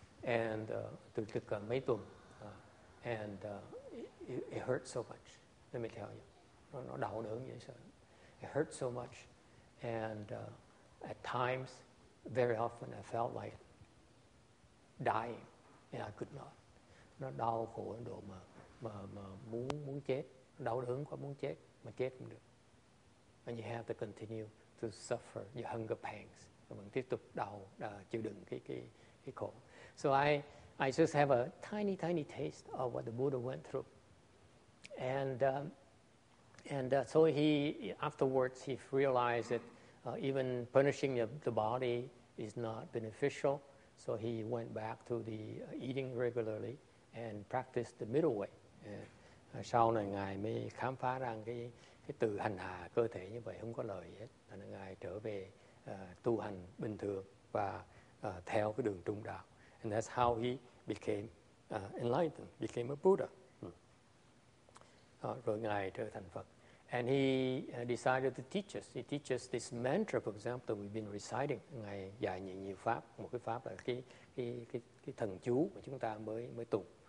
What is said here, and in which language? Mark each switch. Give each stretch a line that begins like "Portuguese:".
English: And
Vietnamese: từ thực mấy tuần.
English: And it hurts so much. Let me tell you.
Vietnamese: Nó đau đớn vậy sao.
English: It hurts so much. And at times, very often, I felt like dying. And I could not.
Vietnamese: Nó đau khổ đến độ mà muốn chết. Đau đớn quá muốn chết. Mà chết không được.
English: And you have to continue to suffer your hunger pangs.
Vietnamese: Và vẫn tiếp tục đau, chịu đựng cái khổ.
English: So I just have a tiny, tiny taste of what the Buddha went through. And so he, afterwards, he realized that even punishing the body is not beneficial. So he went back to the eating regularly and practiced the middle way.
Vietnamese: Sau này Ngài mới khám phá rằng cái từ hành hạ cơ thể như vậy không có lợi hết. Thế nên Ngài trở về tu hành bình thường và theo cái đường trung đạo.
English: And that's how he became enlightened, became a Buddha.
Vietnamese: Rồi Ngài trở thành Phật.
English: And he decided to teach us. He teaches us this mantra, for example, that we've been reciting.
Vietnamese: Ngài dạy nhiều pháp. Một cái pháp là cái thần chú mà chúng ta mới tụng.